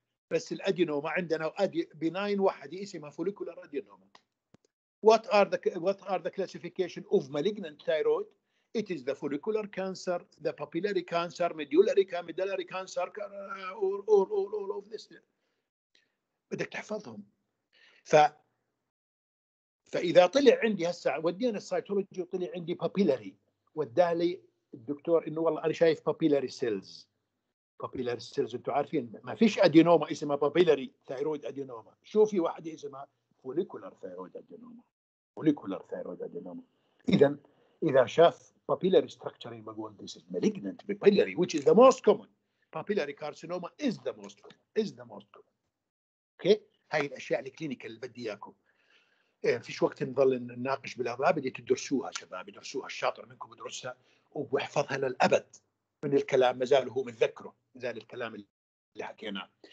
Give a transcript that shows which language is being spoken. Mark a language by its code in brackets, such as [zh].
[ar] بس الأدينوما عندنا benign واحد اسمها follicular adenoma. [en] What are the classification of malignant thyroid? It is the follicular cancer, the papillary cancer, medullary cancer, all of this. [ar] بدك تحفظهم. فإذا طلع عندي هسه ودينا السيتولوجي وطلع عندي papillary ودالي الدكتور إنه والله أنا شايف papillary cells. Papillary cells أنتوا عارفين ما فيش أدينوما اسمها papillary thyroid adenoma. شو في واحد اسمها follicular thyroid adenoma. Follicular thyroid adenoma. إذا شاف [en] papillary structure in Magon, this is malignant papillary, which is the most common. Papillary carcinoma is the most common. Okay? [ar] هاي الأشياء الكلينيكال اللي بدي إياكم. فيش وقت نظل نناقش بالأضواء، بدي تدرسوها شباب، يدرسوها الشاطر منكم يدرسها ويحفظها للأبد من الكلام، ما زال هو متذكره، ما زال الكلام اللي حكيناه.